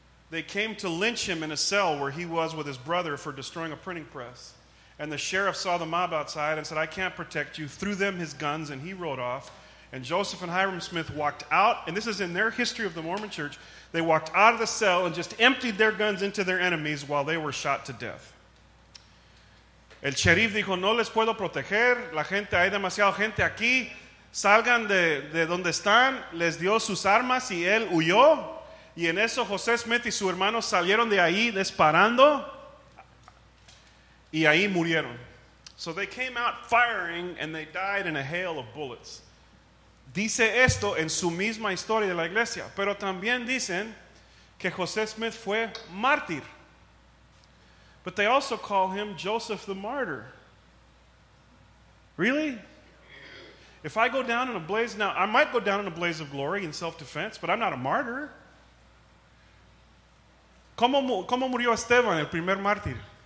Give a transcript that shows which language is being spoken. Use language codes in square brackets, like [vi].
[en] They came to lynch him in a cell where he was with his brother for destroying a printing press. And the sheriff saw the mob outside and said, I can't protect you. Threw them his guns and he rode off. And Joseph and Hiram Smith walked out, and this is in their history of the Mormon church, they walked out of the cell and just emptied their guns into their enemies while they were shot to death. [es] El sheriff dijo, no les puedo proteger, la gente, hay demasiada gente aquí, salgan de donde están, les dio sus armas y él huyó. Y en eso José Smith y su hermano salieron de ahí disparando, y ahí murieron. [en] So they came out firing and they died in a hail of bullets. [es] Dice esto en su misma historia de la iglesia, pero también dicen que José Smith fue mártir. [en] But they also call him Joseph the Martyr. Really? If I go down in a blaze, now I might go down in a blaze of glory in self-defense, but I'm not a martyr. [es] ¿Cómo murió Esteban, el primer mártir?